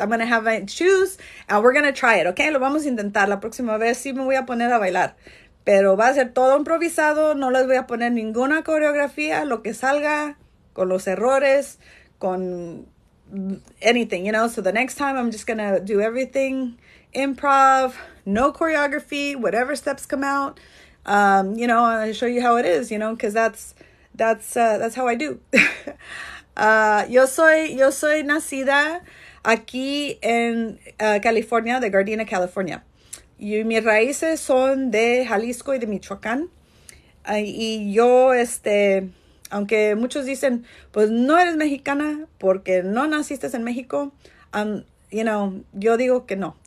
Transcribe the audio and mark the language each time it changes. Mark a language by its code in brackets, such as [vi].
[en] I'm gonna have my shoes and we're gonna try it, okay? [es] Lo vamos a intentar la próxima vez, sí me voy a poner a bailar. Pero va a ser todo improvisado, no les voy a poner ninguna coreografía, lo que salga con los errores. [en] Con anything, So the next time I'm just gonna do everything improv, no choreography, whatever steps come out. I'll show you how it is, because that's how I do. [es] yo soy nacida aquí en California, de Gardena, California. Y mis raíces son de Jalisco y de Michoacán. Y yo aunque muchos dicen, pues no eres mexicana porque no naciste en México, yo digo que no.